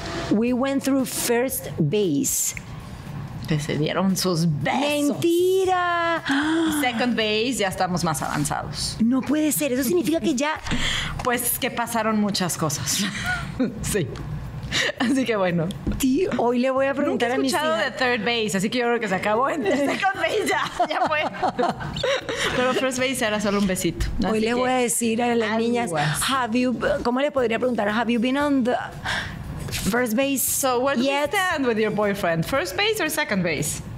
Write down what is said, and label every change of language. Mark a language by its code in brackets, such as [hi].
[en] We went through first base. [es] Se dieron sus besos. ¡Mentira! Second base, ya estamos más avanzados. No puede ser. Eso significa que ya... Pues que pasaron muchas cosas. Sí. Así que bueno. Tío, hoy le voy a preguntar a mi hija. Nunca he escuchado de third base, así que yo creo que se acabó en second base ya fue. Pero first base era solo un besito. Hoy le voy a decir a las niñas, [en] have you, [es] ¿cómo le podría preguntar? [en] ¿Have you been on the... first base? So where do you stand with your boyfriend? First base or second base?